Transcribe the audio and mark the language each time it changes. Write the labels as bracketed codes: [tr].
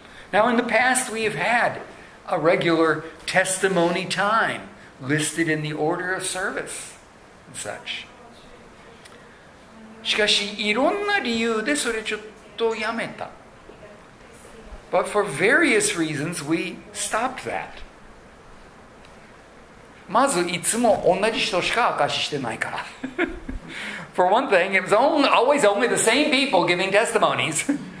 [en] Now in the past we've had a regular testimony time listed in the order of service and such. [ja] しかしいろんな理由でそれちょっとやめた。 [en] But for various reasons we stopped that. [ja] まずいつも同じ人しか証ししてないから。 [en] For one thing, it was always only the same people giving testimonies.